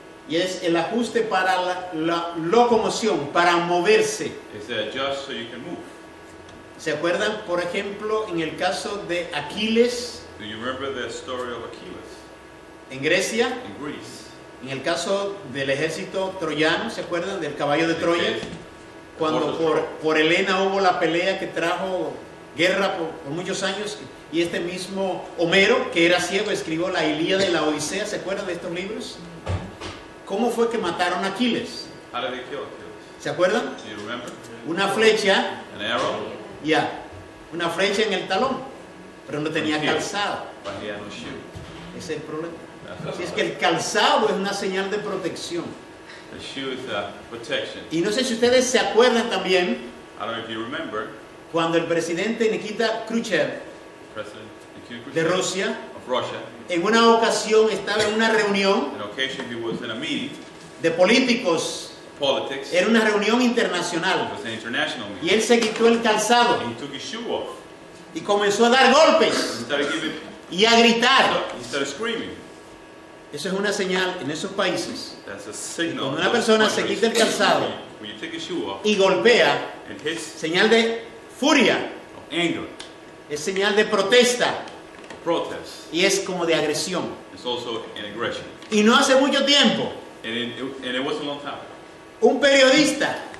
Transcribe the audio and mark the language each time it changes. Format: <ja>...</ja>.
<es>Y es el ajuste para la locomoción, para moverse.</es> <en>It's just so you can move.</en> <es>¿Se acuerdan, por ejemplo, en el caso de Aquiles?</es> <en>Do you remember the story of Achilles?</en> <es>¿En Grecia?</es> <en>In Greece.</en> <es>En el caso del ejército troyano, ¿se acuerdan del caballo de Troya? Cuando por Helena hubo la pelea que trajo guerra por muchos años, y este mismo Homero, que era ciego, escribió la Ilíada y la Odisea, ¿se acuerdan de estos libros? ¿Cómo fue que mataron a Aquiles?</es> <en>How did they kill Achilles?</en> <es>¿Se acuerdan?</es> <en>Do you remember?</en> <es>Una flecha.</es> <en>An arrow? Yeah.</en> <es>Una flecha en el talón, pero no tenía calzado.</es> <en>But he had no shoe.</en> <es>Ese es el problema. Si es que el calzado es una señal de protección.</es> <en>The shoe is a protection.</en> <es>Y no sé si ustedes se acuerdan también.</es> <en>I don't know if you remember.</en> <es>Cuando el presidente Nikita Khrushchev,</es> <en>President Nikita Khrushchev</en> <es>de Rusia,</es> <en>of Russia,</en> <es>en una ocasión estaba en una reunión</es> <en>an occasion he was in a meeting,</en> <es>de políticos.</es> <en>Politics.</en> <es>Era una reunión internacional.</es> <en>It was an international meeting.</en> <es>Y él se quitó el calzado.</es> <en>And he took his shoe off.</en> <es>Y comenzó a dar golpes.</es> <en>He started giving,</en> <es>y a gritar.</es> <en>He started screaming.</en> <es>Eso es una señal en esos países.</es> <en>That's a signal.</en> <es>Cuando una persona se quita el calzado</es> <en>when you take your shoe off,</en> <es>y golpea,</es> <en>and hits,</en> <es>señal de furia.</es> <en>Of anger.</en> <es>Es señal de protesta.</es> <en>Protest.</en> <es>Y es como de agresión.</es> <en>It's also an aggression.</en> <es>Y no hace mucho tiempo.</es> <en>And it wasn't a long time.</en> <es>Un periodista.</es>